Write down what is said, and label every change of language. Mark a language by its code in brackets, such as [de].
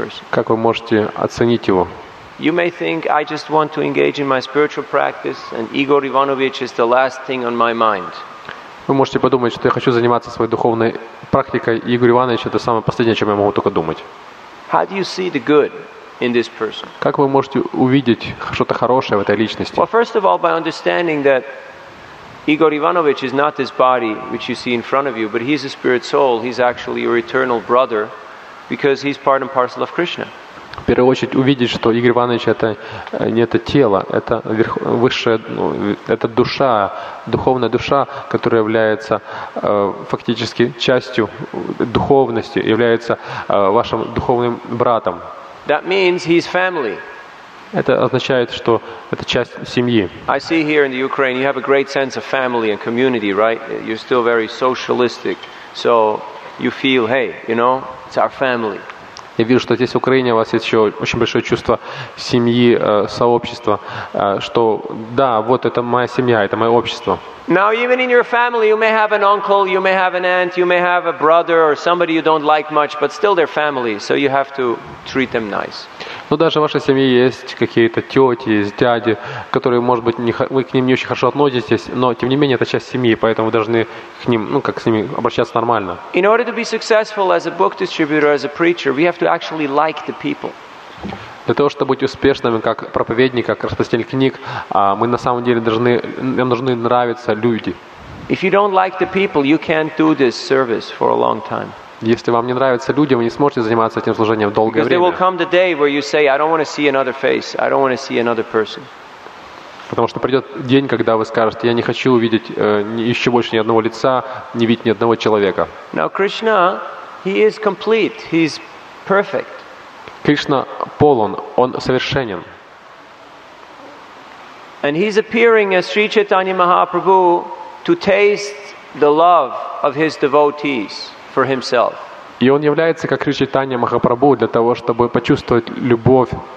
[ru] Как вы можете оценить его? [en] You may think I just want to engage in my spiritual practice and Igor Ivanovich is the last thing on my mind. [ru] Вы можете подумать, что я хочу заниматься своей духовной практикой, и Игорь Иванович это самое последнее, о чем я могу только думать. [en] How do you see the good in this person? [ru] Как вы можете увидеть что-то хорошее в этой личности? [en] Well, first of all, by understanding that Igor Ivanovich is not this body which you see in front of you, but he's a spirit soul, he's actually your eternal brother because he's part and parcel of Krishna. [ru] В первую очередь увидеть, что Игорь Иванович это не это тело, это высшая, это душа, духовная душа, которая является фактически частью духовности, является вашим духовным братом. [en] That means he's family. [ru] Это означает, что это часть семьи. [en] I see here in the Ukraine you have a great sense of family and community, right? You're still very socialistic, so you feel, hey, you know, it's our family. [ru] Я вижу, что здесь в Украине у вас есть еще очень большое чувство семьи, сообщества, что да, вот это моя семья, это мое общество. [en] Now, even in your family, you may have an uncle, you may have an aunt, you may have a brother or somebody you don't like much, but still they're family, so you have to treat them nice. [ru] Но даже в вашей семье есть какие-то тети, есть дяди, которые, может быть, не, вы к ним не очень хорошо относитесь, но, тем не менее, это часть семьи, поэтому вы должны к ним, ну, как с ними обращаться нормально. [en] In order to be successful as a book distributor, as a preacher, we have to actually like the people. [ru] Для того, чтобы быть успешными как проповедник, как распространитель книг, мы на самом деле должны, нам должны нравиться люди. [en] If you don't like the people, you can't do this service for a long time. [ru] Если вам не нравятся люди, вы не сможете заниматься этим служением долгое время. [en] Because there will come the day where you say, I don't want to see another face, I don't want to see another person. [ru] Потому что придет день, когда вы скажете, я не хочу увидеть еще больше ни одного лица, не видеть ни одного человека. [en] Now Krishna, he is complete, he's perfect. [ru] Кришна полон, он совершенен. [en] And he's appearing as Sri Chaitanya Mahaprabhu to taste the love of his devotees. For himself. [ru] И он является как Шри Чайтанья Махапрабху для того, чтобы почувствовать любовь